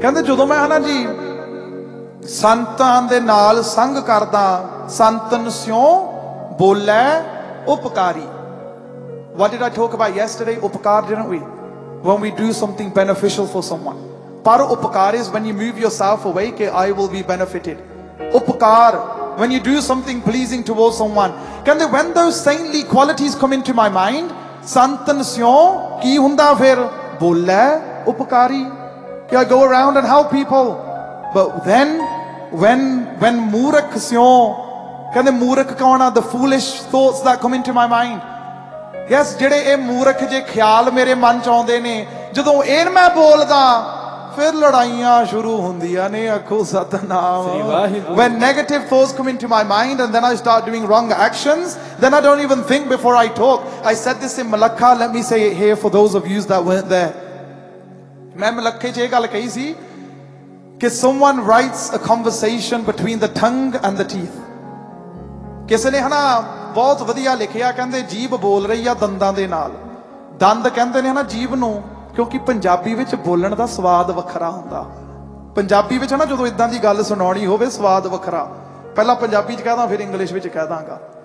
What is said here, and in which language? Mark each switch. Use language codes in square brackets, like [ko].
[pa] ਕਹਿੰਦੇ ਜਦੋਂ ਮੈਂ ਹਨਾ ਜੀ ਸੰਤਾਂ ਦੇ ਨਾਲ ਸੰਗ ਕਰਦਾ, ਸੰਤਨ ਸਿਉਂ ਬੋਲੇ ਉਪਕਾਰੀ। [en] What did I talk about yesterday? ਉਪਕਾਰ, didn't we? When we do something beneficial for someone. [pa] ਪਰ ਉਪਕਾਰ [en] is when you move yourself away [pa] ਕਿ [en] I will be benefited. ਉਪਕਾਰ when you do something pleasing towards someone. [pa] ਕਹਿੰਦੇ [en] when those saintly qualities come into my mind, [pa] ਸੰਤਨ ਸਿਉਂ ਕੀ ਹੁੰਦਾ ਫਿਰ? ਬੋਲੇ ਉਪਕਾਰੀ। ਕਿ [en] I go around and help people. But then, when [pa] ਮੂਰਖ ਸਿਉਂ, ਕਹਿੰਦੇ ਮੂਰਖ ਕੌਣ ਆ? [en] The foolish thoughts that come into my mind. Yes, [pa] ਜਿਹੜੇ ਇਹ ਮੂਰਖ ਜੇ ਖਿਆਲ ਮੇਰੇ ਮਨ 'ਚ ਆਉਂਦੇ ਨੇ, ਜਦੋਂ ਇਹ ਮੈਂ ਬੋਲਦਾ ਫਿਰ ਲੜਾਈਆਂ ਸ਼ੁਰੂ ਹੁੰਦੀਆਂ ਨੇ। ਆਖੋ Satnam. [en] When negative thoughts come into my mind and then I start doing wrong actions, then I don't even think before I talk. I said this in Malakha, let me say it here for those of you that weren't there. [pa] ਮੈਂ ਮਲੱਖੇ 'ਚ ਇਹ ਗੱਲ ਕਹੀ ਸੀ ਕਿ [en] someone writes a conversation between the tongue and the teeth. [pa] ਕਿਸੇ ਨੇ ਹਨਾ ਬਹੁਤ ਵਧੀਆ ਲਿਖਿਆ, ਕਹਿੰਦੇ ਜੀਭ ਬੋਲ ਰਹੀ ਆ ਦੰਦਾਂ ਦੇ ਨਾਲ। ਦੰਦ ਕਹਿੰਦੇ ਨੇ ਹਨਾ ਜੀਭ ਨੂੰ, ਕਿਉਂਕਿ ਪੰਜਾਬੀ ਵਿੱਚ ਬੋਲਣ ਦਾ ਸਵਾਦ ਵੱਖਰਾ ਹੁੰਦਾ। ਪੰਜਾਬੀ ਵਿੱਚ ਹਨਾ ਜਦੋਂ ਇੱਦਾਂ ਦੀ ਗੱਲ ਸੁਣਾਉਣੀ ਹੋਵੇ ਸਵਾਦ ਵੱਖਰਾ, ਪਹਿਲਾਂ ਪੰਜਾਬੀ 'ਚ ਕਹਿਦਾਂ ਫਿਰ ਇੰਗਲਿਸ਼ ਵਿੱਚ ਕਹਿਦਾਂਗਾ।